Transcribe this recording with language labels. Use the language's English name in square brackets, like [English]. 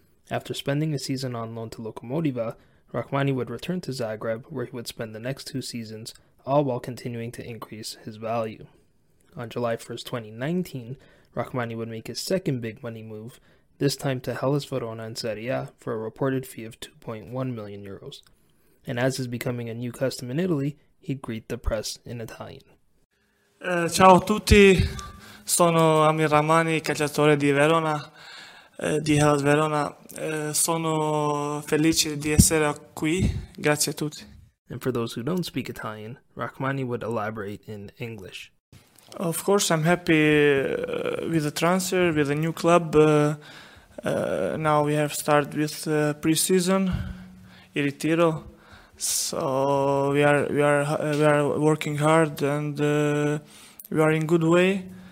[English] After spending a season on loan to Lokomotiva, Rrahmani would return to Zagreb, where he would spend the next two seasons, all while continuing to increase his value. On July 1, 2019, Rrahmani would make his second big money move, this time to Hellas Verona in Serie A for a reported fee of 2.1 million euros. And as is becoming a new custom in Italy, he'd greet the press in Italian. [Italian] Ciao a tutti, sono Amir Rrahmani, calciatore di Verona, di Hellas Verona. Sono felice di essere qui, grazie a tutti. [English] And for those who don't speak Italian, Rrahmani would elaborate in English. Of course, I'm happy with the transfer, with the new club. Now we have started with pre-season in Ritiro. So we are working hard and we are in good way.